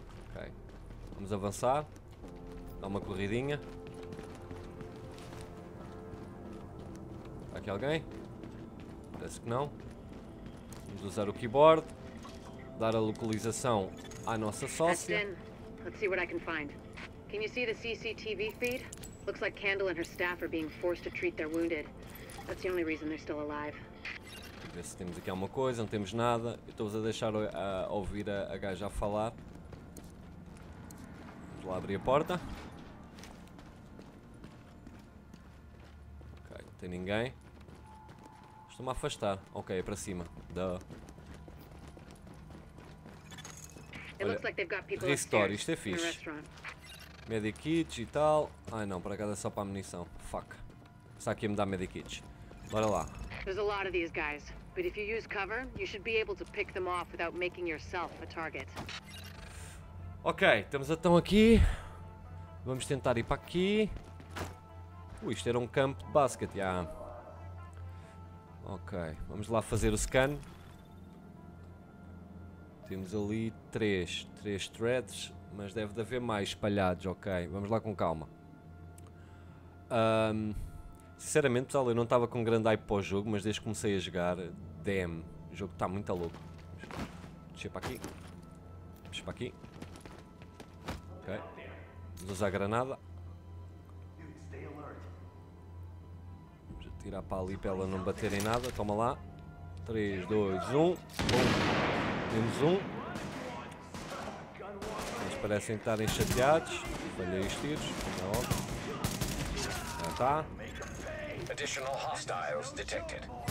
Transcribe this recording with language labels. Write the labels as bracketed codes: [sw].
[pt] Ok. Vamos avançar. Dá uma corridinha. Está aqui alguém? Parece que não. Vamos usar o keyboard. Dar a localização à nossa sócia. [en] Let's see what I can find. Can you see the CCTV feed? Looks like Candle and her staff are being forced to treat their wounded. That's the only reason they're still alive. [pt] Ver se temos aqui alguma coisa, não temos nada. Estou-vos a deixar a ouvir a gaja a falar. Vamos lá abrir a porta. Ok, não tem ninguém. Estou-me a afastar. Ok, é para cima. Duh. Olha, restore, isto é fixe. Medikits e tal. Ai não, para cada só para a munição. Fuck. Só que ia me dar medikits. Bora lá. [en] There's a lot of these guys, but if you use cover, you should be able to pick them off without making yourself a target. [pt] Ok, estamos então aqui. Vamos tentar ir para aqui. Isto era um campo de basquete, já. Ok, vamos lá fazer o scan. Temos ali três threads, mas deve de haver mais espalhados, ok. Vamos lá com calma. Sinceramente, pessoal, eu não estava com grande hype para o jogo, mas desde que comecei a jogar, damn, o jogo está muito louco. Deixa para aqui. Deixa para aqui. Ok. Vamos usar a granada. Vamos atirar para ali para ela não bater em nada. Toma lá. 3, 2, 1. Boom. Temos um. Eles parecem estarem chateados. Falhei os tiros. Já está. [en] Additional hostiles detected.